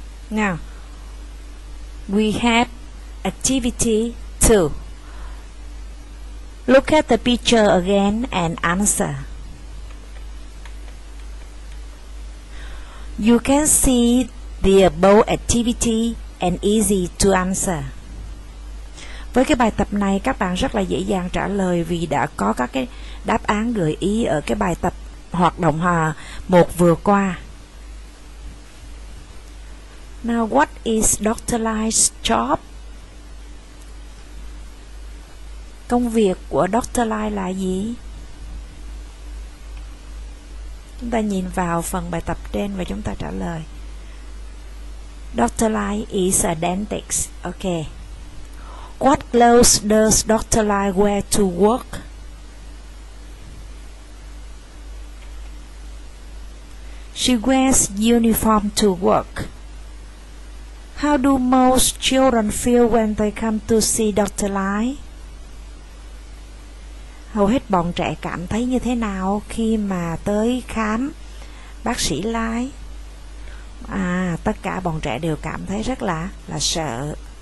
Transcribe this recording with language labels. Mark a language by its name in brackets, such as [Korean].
[English] Now, we have activity 2. Look at the picture again and answer. You can see the above activity and easy to answer. [Vietnamese] Với cái bài tập này, các bạn rất là dễ dàng trả lời vì đã có các cái đáp án gợi ý ở cái bài tập hoạt động 1 vừa qua. [English] Now, what is Dr. Lai's job? [Vietnamese] Công việc của Dr. Lai là gì? Chúng ta nhìn vào phần bài tập trên và chúng ta trả lời. [English] Dr. Lai is a dentist. Okay. What clothes does Dr. Lai wear to work? She wears uniform to work. How do most children feel when they come to see Dr. Lai? [Vietnamese] Hầu hết bọn trẻ cảm thấy như thế nào khi mà tới khám bác sĩ Lai? À, tất cả bọn trẻ đều cảm thấy rất là sợ.